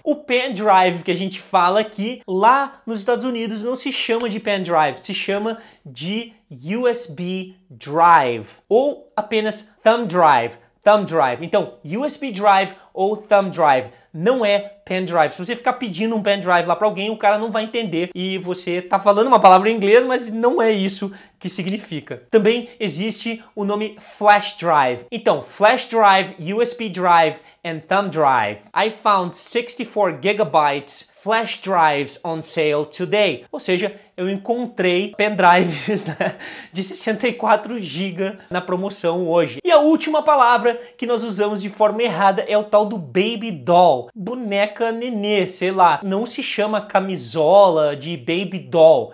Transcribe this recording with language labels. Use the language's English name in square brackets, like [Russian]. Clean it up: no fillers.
[Portuguese] O pen drive que a gente fala aqui, lá nos Estados Unidos, não se chama de pen drive, se chama de USB drive ou apenas thumb drive. Thumb drive. Então, USB drive ou thumb drive. Não é pen drive. Se você ficar pedindo um pen drive lá pra alguém, o cara não vai entender e você tá falando uma palavra em inglês, mas não é isso que significa. Também existe o nome flash drive. Então, flash drive, USB drive and thumb drive. [English] I found 64 gigabytes flash drives on sale today. [Portuguese] Ou seja, eu encontrei pendrives, né, de 64 GB na promoção hoje. E a última palavra que nós usamos de forma errada é o tal do baby doll. Boneca nenê, sei lá. Não se chama camisola de baby doll.